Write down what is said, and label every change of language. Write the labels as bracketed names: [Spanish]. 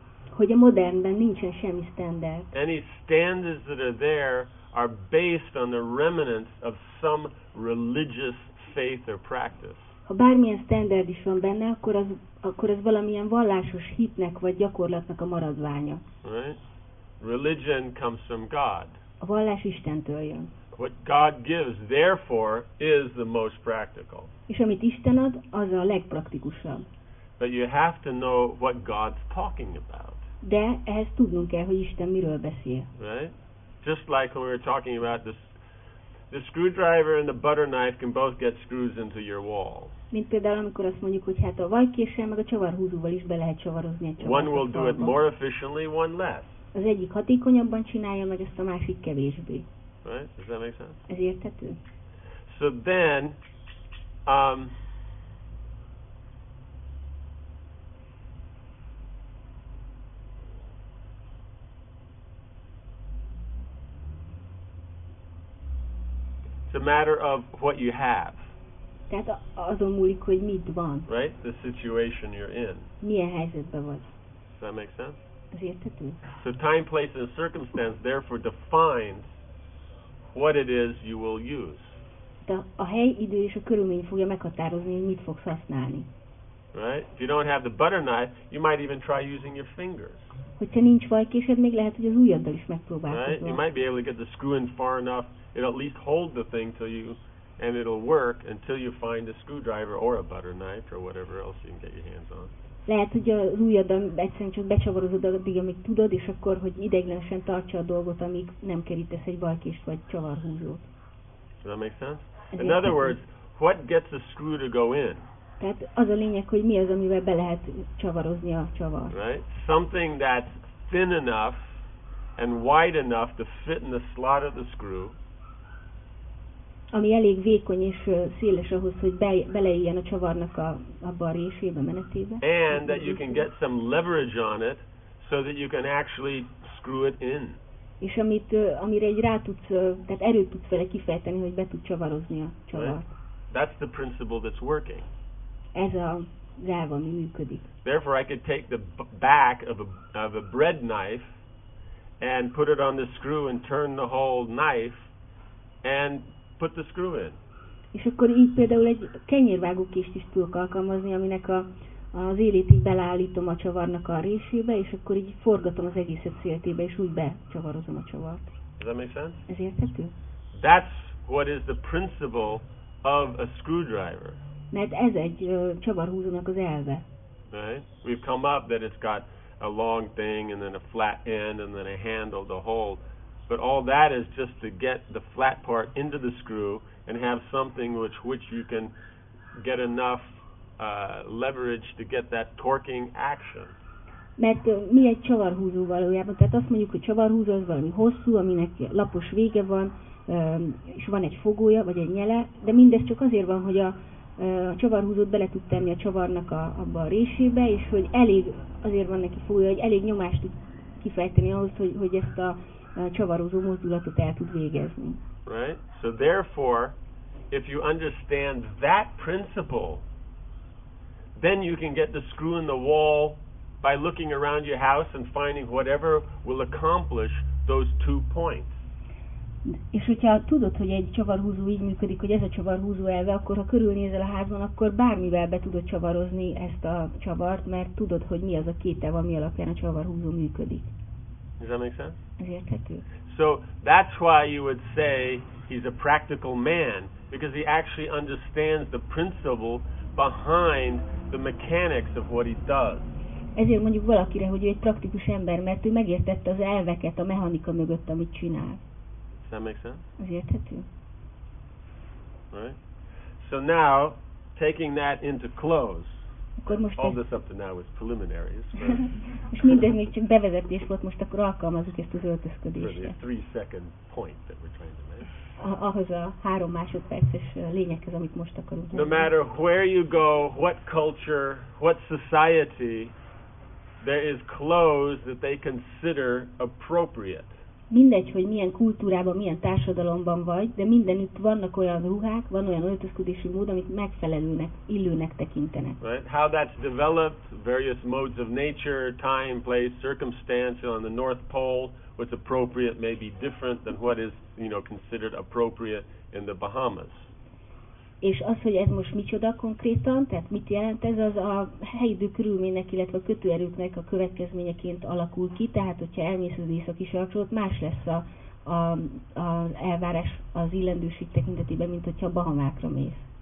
[Hungarian] Hogy a modernben nincsen semmi standard. [English] Any standards that are there are based on the remnants of some religious faith or practice. [Hungarian] Ha bármilyen standard is van benne, akkor az valamilyen vallásos hitnek vagy gyakorlatnak a maradványa. [English] Right? Religion comes from God. [Hungarian] A vallás Istentől jön. [English] What God gives, therefore, is the most practical. [Hungarian] És amit Isten ad, az a legpraktikusabb. [English] But you have to know what God's talking about. [Hungarian] De ehhez tudnunk kell, hogy Isten miről beszél. [English] Right? Just like when we were talking about this, the screwdriver and the butter knife can both get screws into your wall. [Hungarian] Mint például, amikor azt mondjuk, hogy hát a vajkéssel meg a csavarhúzóval is be lehet csavarozni a csavarhúzóval. [English] One will do it more efficiently, one less. [Hungarian] Az egyik hatékonyabban csinálja, meg ezt a másik kevésbé. [English] Right? Does that make sense? [Hungarian] Ez érthető? [English] So then, it's a matter of what you have. [Hungarian] Tehát azon múlik, hogy mit van. [English] Right? The situation you're in. [Hungarian] Milyen helyzetben vagy. [English] Does that make sense? [Hungarian] Értető. [English] So time, place, and circumstance therefore defines what it is you will use. [Hungarian] De a hely, idő és a körülmény fogja meghatározni, hogy mit fogsz használni. [English] Right? If you don't have the butter knife, you might even try using your fingers. [Hungarian] Hogyha nincs vajkésed, még lehet, hogy az ujjaddal is megpróbálkozol. [English] Right? You might be able to get the screw in far enough, it'll at least hold the thing till you and it'll work until you find a screwdriver or a butter knife or whatever else you can get your hands on. [Hungarian] Lehet, hogy az ujjadon egyszerűen csak becsavarozod addig, amíg tudod, és akkor, hogy ideiglenesen tartsa a dolgot, amíg nem kerítesz egy balkést vagy csavarhúzót. [English] Does that make sense? In other words, what gets the screw to go in? [Hungarian] Tehát az a lényeg, hogy mi az, amivel be lehet csavarozni a csavart. [English] Right? Something that's thin enough and wide enough to fit in the slot of the screw. [Hungarian] Ami elég vékony és széles ahhoz, hogy beleéljen a csavarnak abba a résébe, menetébe. [English] And that you can get some leverage on it, so that you can actually screw it in. [Hungarian] És amit, amire egy rá tudsz, tehát erőt tudsz vele kifejteni, hogy be tud csavarozni a csavart. [English] Right? That's the principle that's working. [Hungarian] Ez a elv, ami működik. [English] Therefore, I could take the back of a bread knife and put it on the screw and turn the whole knife and put the screw in. [Hungarian] És akkor így például egy kenyérvágó kést is tudok alkalmazni, aminek az élét így beleállítom a csavarnak a résébe, és akkor így forgatom az egészet széltébe, és úgy becsavarozom a csavart. [English] Does that make sense? [Hungarian] Ez érthető? [English] That's what is the principle of a screwdriver. [Hungarian] Mert ez egy csavarhúzónak az elve. [English] Right? We've come up that it's got a long thing and then a flat end and then a handle to hold. But all that is just to get the flat part into the screw and have something which you can get enough leverage to get that torquing action. [Hungarian] Mert mi egy csavarhúzó valójában, tehát azt mondjuk, hogy csavarhúzó az valami hosszú, aminek lapos vége van, és van egy fogója, vagy egy nyele, de mindez csak azért van, hogy a csavarhúzót bele tud tenni a csavarnak abba a résébe, és hogy elég, azért van neki fogója, hogy elég nyomást tud kifejteni ahhoz, hogy ezt a csavarozó mozdulatot el tud végezni. [English] Right? So therefore, if you understand that principle, then you can get the screw in the wall by looking around your house and finding whatever will accomplish those two points. [Hungarian] És hogyha tudod, hogy egy csavarhúzó így működik, hogy ez a csavarhúzó elve, akkor ha körülnézel a házban, akkor bármivel be tudod csavarozni ezt a csavart, mert tudod, hogy mi az a két elv, ami alapján a csavarhúzó működik. [English] Does that make sense? [Hungarian] Ez érthető. [English] So that's why you would say he's a practical man, because he actually understands the principle behind the mechanics of what he does. [Hungarian] Ezért mondjuk valakire, hogy ő egy praktikus ember, mert ő megértette az elveket, a mechanika mögött, amit csinál. [English] Does that make sense? [Hungarian] Ez érthető. [English] Right? So now, taking that into close, all this up to now is preliminaries. [Hungarian] És minden még csak bevezetés volt, most akkor alkalmazunk ezt az öltözködésre. [English] For the 3 second point that we're trying to make. [Hungarian] Ahhoz a 3 másodperces lényeghez, amit most akarunk. [English] No matter where you go, what culture, what society, there is clothes that they consider appropriate. [Hungarian] Mindegy, hogy milyen kultúrában, milyen társadalomban vagy, de mindenütt vannak olyan ruhák, van olyan öltözködési mód, amit megfelelőnek, illőnek tekintenek. [English] Right? How that's developed, various modes of nature, time, place, circumstance on the North Pole, what's appropriate may be different than what is, you know, considered appropriate in the Bahamas. [Hungarian] És az, hogy ez most micsoda konkrétan, tehát mit jelent ez, az a helyidő körülménynek, illetve a kötőerőknek a következményeként alakul ki, tehát hogyha elmész az északi sarkot, más lesz az elvárás az illendőség tekintetében, mint hogyha a Bahamákra mész.